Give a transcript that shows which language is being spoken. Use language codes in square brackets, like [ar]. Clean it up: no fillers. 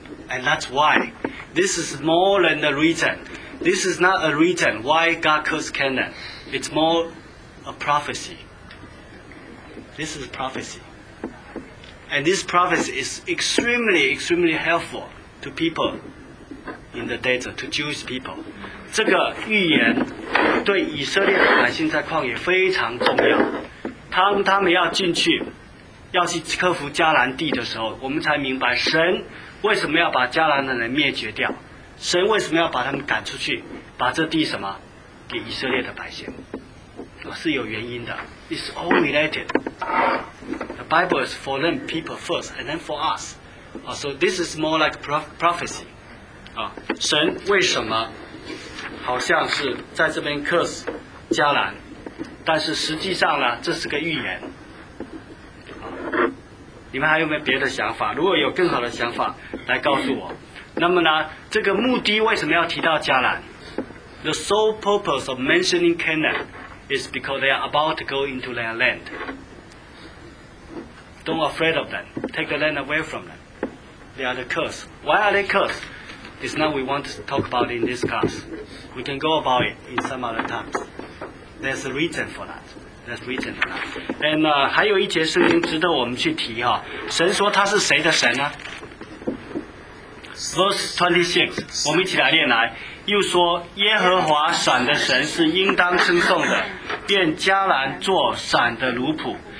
[en] And that's why. This is more than the reason. This is not a reason why God cursed Canaan. It's more a prophecy. This is prophecy. And this prophecy is extremely, extremely helpful to people in the desert, to Jewish people. [zh] 这个预言对以色列的百姓在旷野非常重要。当他们要进去，要去克服迦南地的时候，我们才明白神为什么要把迦南的人灭绝掉，神为什么要把他们赶出去，把这地什么，给以色列的百姓。是有原因的。 [en] It's all related. The Bible is for them, people first, and then for us. So this is more like prophecy. [zh] 神为什么好像是在这边 curse 迦南，但是实际上呢，这是个预言。你们还有没有别的想法？如果有更好的想法，来告诉我。那么呢，这个目的为什么要提到迦南？ [en] The sole purpose of mentioning Canaan. Is because they are about to go into their land. Don't afraid of them. Take the land away from them. They are the curse. Why are they cursed? It's not we want to talk about in this class. We can go about it in some other times. There's a reason for that. There's a reason for that. [zh] And 还有一节圣经值得我们去提哈。神说他是谁的神呢？ [en] Verse 26. [zh] 我们一起来念来。又说耶和华闪的神是应当称颂的便迦南做闪的奴仆